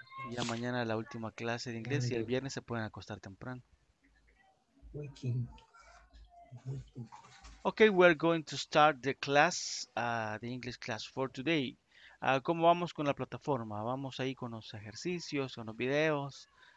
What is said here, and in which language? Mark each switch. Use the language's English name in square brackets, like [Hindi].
[Spanish] Ya mañana la última clase de inglés y el viernes se pueden acostar temprano. [English] Okay, we're going to start the class, the English class for today. [Spanish] ¿Cómo vamos con la plataforma? ¿Vamos ahí con los ejercicios, con los videos?